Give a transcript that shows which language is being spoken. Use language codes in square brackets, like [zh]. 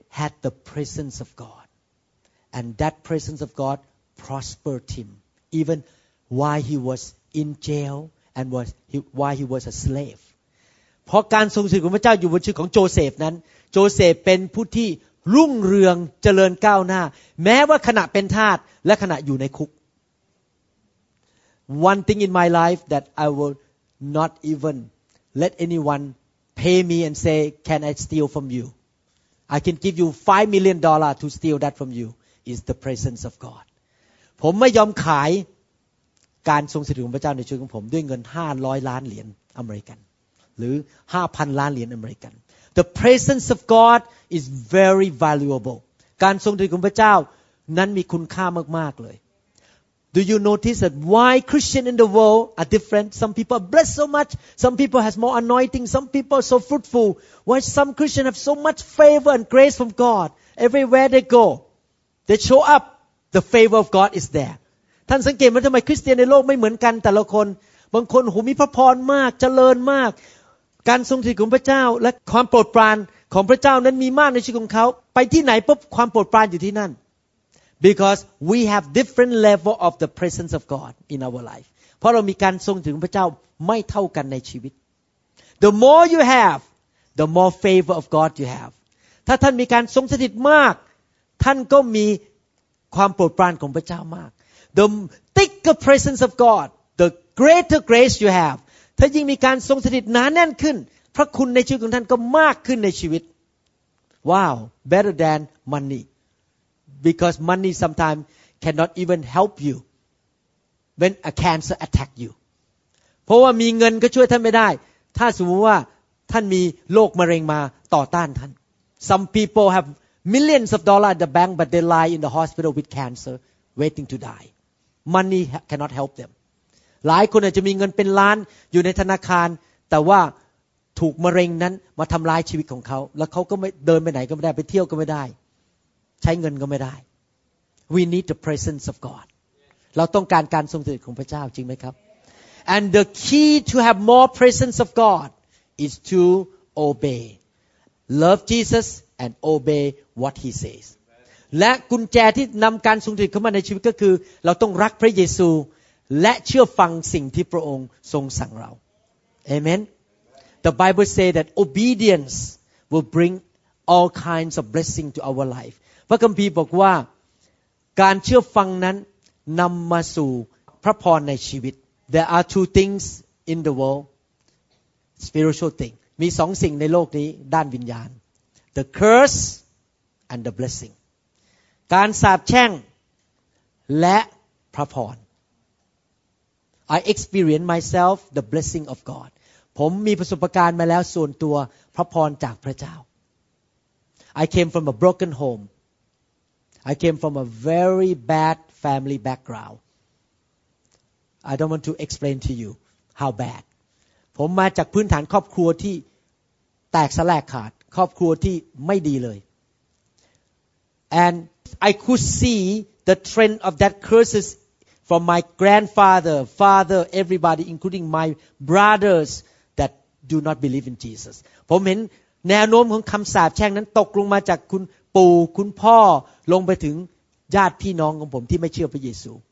[en] had the presence of God, and that presence of God prospered him, even while he was in jail and while he was a slave. [th] เพราะการทรงสถิตของพระเจ้าอยู่บนชีวิตของโจเซฟนั้นโจเซฟเป็นผู้ที่รุ่งเรืองเจริญก้าวหน้าแม้ว่าขณะเป็นทาสและขณะอยู่ในคุก [en] One thing in my life that I will not even let anyone pay me and say, "Can I steal from you?" I can give you $5 million to steal that from you is the presence of God. [th] ผมไม่ยอมขายการทรงสถิตของพระเจ้าในชีวิตของผมด้วยเงิน500 ล้านเหรียญอเมริกันหรือ5,000 ล้านเหรียญอเมริกัน [en] The presence of God is very valuable. [th] การทรงสถิตของพระเจ้านั้นมีคุณค่ามากๆเลย [en] Do you notice that why Christians in the world are different? Some people are blessed so much. Some people has more anointing. Some people are so fruitful. Why some Christians have so much favor and grace from God? Everywhere they go, they show up. The favor of God is there. [th] ท่านสังเกตว่าทำไมคริสเตียนในโลกไม่เหมือนกันแต่ละคนบางคนหูมีพระพรมากเจริญมากการทรงสถิตของพระเจ้าและความโปรดปรานของพระเจ้านั้นมีมากในชีวิตของเขาไปที่ไหนปุ๊บความโปรดปรานอยู่ที่นั่น [en] Because we have different level of the presence of God in our life. [th] เพราะเรามีการทรงถึงพระเจ้าไม่เท่ากันในชีวิต [en] The more you have, the more favor of God you have. [th] ถ้าท่านมีการทรงสถิตมากท่านก็มีความโปรดปรานของพระเจ้ามาก [en] The thicker presence of God, the greater grace you have. [th] ถ้ายิ่งมีการทรงสถิตหนาแน่นขึ้นพระคุณในชีวิตของท่านก็มากขึ้นในชีวิต [en] Wow, better than money. Because money sometimes cannot even help you when a cancer attacks you. [th] เพราะว่ามีเงินก็ช่วยท่านไม่ได้ถ้าสมมติว่าท่านมีโรคมะเร็งมาต่อต้านท่าน [en] Some people have millions of dollars at the bank, but they lie in the hospital with cancer, waiting to die. Money cannot help them. [th] หลายคนอาจจะมีเงินเป็นล้านอยู่ในธนาคารแต่ว่าถูกมะเร็งนั้นมาทำลายชีวิตของเขาแล้วเขาก็ไม่เดินไปไหนก็ไม่ได้ไปเที่ยวก็ไม่ได้ใช้เงินก็ไม่ได้ [en] We need the presence of God. [th] เราต้องการการทรงสถิตของพระเจ้าจริงไหมครับ [en] And the key to have more presence of God is to obey. Love Jesus and obey what he says. [th] และกุญแจที่นำการทรงสถิตเข้ามาในชีวิตก็คือเราต้องรักพระเยซูและเชื่อฟังสิ่งที่พระองค์ทรงสั่งเราเอเมน [en] The Bible say that obedience will bring all kinds of blessing to our life. [th] พระคัมภีร์บอกว่าการเชื่อฟังนั้นนำมาสู่พระพรในชีวิต [en] There are two things in the world, spiritual thing. [th] มีสองสิ่งในโลกนี้ด้านวิญญาณ [en] The curse and the blessing. [th] การสาปแช่งและพระพร [en] I experience myself the blessing of God. [th] ผมมีประสบการณ์มาแล้วส่วนตัวพระพรจากพระเจ้า [en] I came from a broken home. I came from a very bad family background. I don't want to explain to you how bad. [th] ผมมาจากพื้นฐานครอบครัวที่แตกสลายขาดครอบครัวที่ไม่ดีเลย [en] And I could see the trend of that curses. From my grandfather, father, everybody, including my brothers that do not believe in Jesus. [th] ผมเห็นแนวโน้มของคำสาปแช่งนั้นตกลงมาจากคุณปู่คุณพ่อลงไปถึงญาติพี่น้องของผมที่ไม่เชื่อพระเยซู